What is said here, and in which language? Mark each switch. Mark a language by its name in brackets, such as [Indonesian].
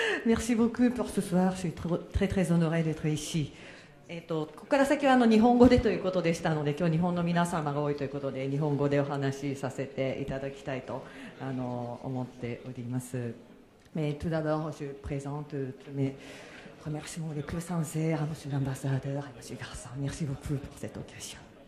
[French] Merci beaucoup pour ce soir. Je suis très très honorée d'être ici. [Japanese] ここから先は日本語でということでしたので、今日日本の皆様が多いということで、日本語でお話しさせていただきたいと思っております。 [French] Mais tout d'abord, je présente mes remerciements les plus sincères à Monsieur l'ambassadeur et Monsieur Garçon. Merci beaucoup pour cette occasion.